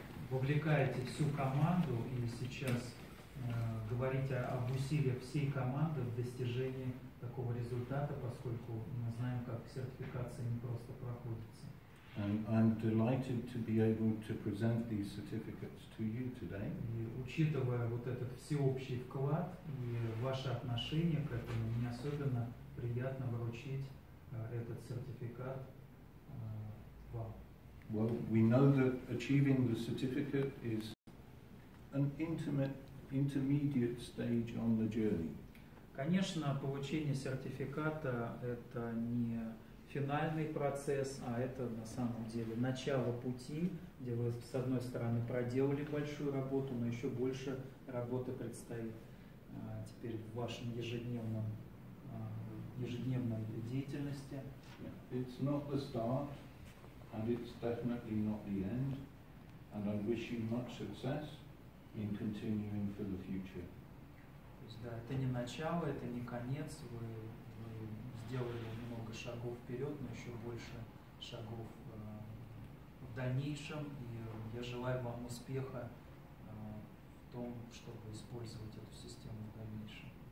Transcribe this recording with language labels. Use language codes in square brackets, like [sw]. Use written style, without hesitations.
[ru] Вовлекаете всю команду и сейчас говорите об усилиях всей команды в достижении такого результата, поскольку мы знаем, как сертификация не просто проходится. [en] And I'm delighted to be able to present these certificates to you today. [ru] И учитывая вот этот всеобщий вклад и ваше отношение к этому, мне особенно приятно вручить этот сертификат вам. [en] Well, we know that achieving the certificate is an intermediate stage on the journey. [ru] Конечно, получение сертификата – это не финальный процесс, а это на самом деле начало пути, где вы, с одной стороны, проделали большую работу, но еще больше работы предстоит теперь в вашем ежедневной деятельности. [en] Yeah. It's not the start, and it's definitely not the end, and I wish you much success in continuing for the future. [ru] То есть, да, это не начало, это не конец, вы сделали много шагов вперед, но еще больше шагов в дальнейшем, и я желаю вам успеха в том, чтобы использовать эту систему в дальнейшем.